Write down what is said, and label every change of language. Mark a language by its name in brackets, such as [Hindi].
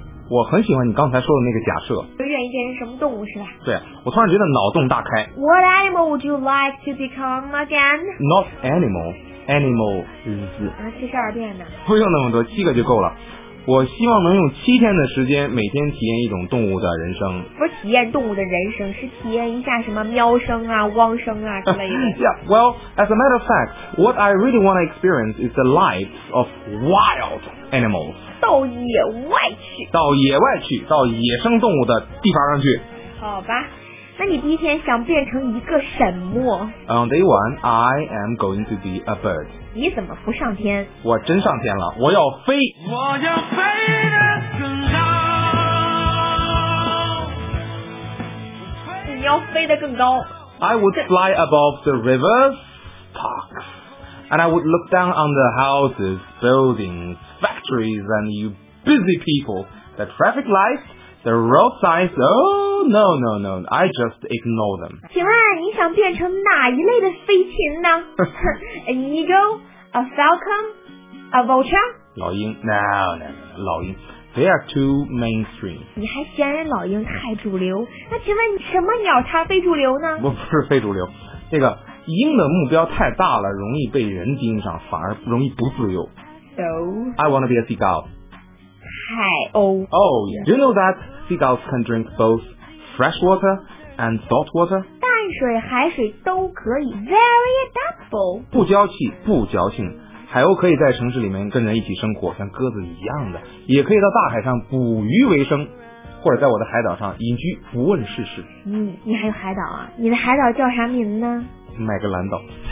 [Chinese] 我很喜欢你刚才说的那个假设，有愿意变成什么动物是吧？对，我突然觉得脑洞大开。 [English] What animal would you like to become again? Not animal, animal is [Chinese] 七十二变的，不用那么多，七个就够了。我希望能用七天的时间每天体验一种动物的人生，不是体验动物的人生，是体验一下什么喵声啊汪声啊之类的。 [English] Yeah, well, as a matter of fact, what I really want to experience is the lives of wild animals. [Chinese] 到野外去，到野外去，到野生动物的地方上去。好吧，那你第一天想变成一个什么？ [English] On day one, I am going to be a bird. [Chinese] 你怎么不上天？我真上天了，我要飞。我要飞得更高。你要飞得更高。 [English] I would fly above the rivers, parks, and I would look down on the houses, buildings, factories, and you busy people. The traffic lights, the road signs, No, I just ignore them. [Chinese] 请问你想变成哪一类的飞禽呢？ [English] An eagle? A falcon? A vulture? 老鹰 No, 老鹰 They are too mainstream. [Chinese] 你还嫌人老鹰太主流？那请问什么鸟它非主流呢？我不是非主流，那个鹰的目标太大了，容易被人盯上，反而容易不自由。 [English] So? I want to be a seagull. [Chinese] 海鸥 [English] Oh, you know that seagulls can drink bothFresh water and salt water. [Chinese] 淡水海水都可以 Very adaptable. 不娇气不矫情，海鸥可以在城市里面跟人一起生活，像鸽子一样的，也可以到大海上捕鱼为生，或者在我的海岛上隐居不问世事。你还有海岛啊？你的海岛叫啥名呢？麦格兰岛。